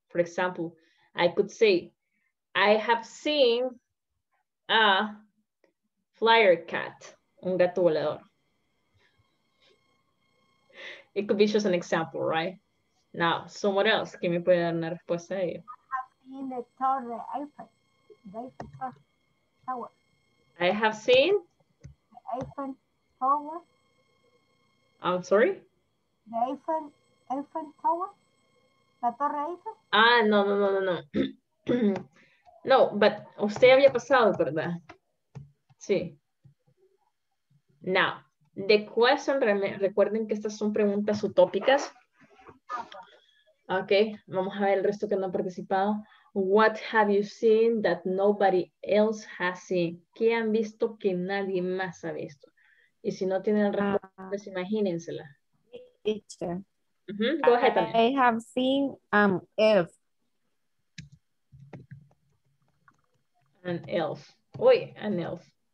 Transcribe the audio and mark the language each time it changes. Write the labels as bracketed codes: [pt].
[en] For example, I could say, I have seen a flyer cat, [es] un gato volador. [en] It could be just an example, right? Now, someone else, [es] ¿quién me puede dar una respuesta a ello? [en] I have seen the Torre Eiffel, the Eiffel Tower. I have seen? The Eiffel Tower. I'm sorry? The Eiffel Tower? La Torre Eiffel? [es] Ah, no, no, no, no, no. No, but usted había pasado, ¿verdad? Sí. [en] Now, the question, [es] recuerden que estas son preguntas utópicas. Okay, vamos a ver el resto que no ha participado. [en] What have you seen that nobody else has seen? [es] ¿Qué han visto que nadie más ha visto? Y si no tienen respuesta, imagínensela. [en] Teacher. Go ahead. I have seen an elf. An elf. Uy, an elf.